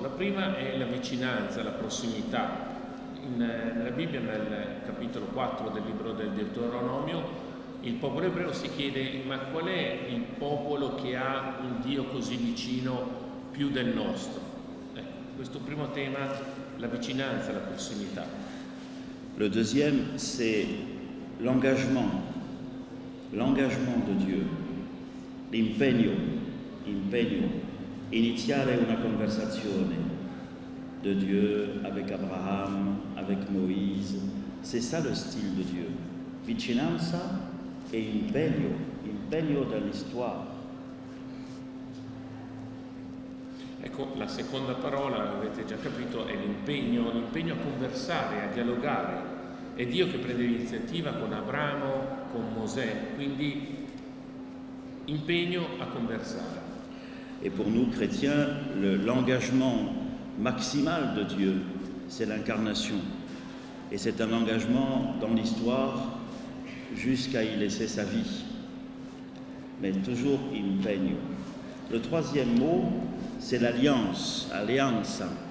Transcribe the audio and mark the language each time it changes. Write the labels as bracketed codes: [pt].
[it] La prima è la vicinanza, la prossimità. Nella Bibbia, nel capitolo 4 del libro del Deuteronomio, il popolo ebreo si chiede: ma qual è il popolo che ha un Dio così vicino più del nostro? Questo primo tema, la vicinanza, la prossimità. [fr] Le deuxième, c'est l'engagement de Dieu, l'impegno. [it] Iniziare una conversazione [fr] de Dieu avec Abraham, avec Moïse, c'est ça le style de Dieu. Vicinanza et impegno dans l'histoire. [it] Ecco, la seconda parola, avete già capito, è l'impegno a conversare, a dialogare. È Dio che prende l'iniziativa con Abramo, con Mosè, quindi impegno a conversare. [fr] Et pour nous chrétiens, l'engagement maximal de Dieu, c'est l'incarnation. Et c'est un engagement dans l'histoire jusqu'à y laisser sa vie. Mais toujours impegno. Le troisième mot, c'est l'alliance, alianza.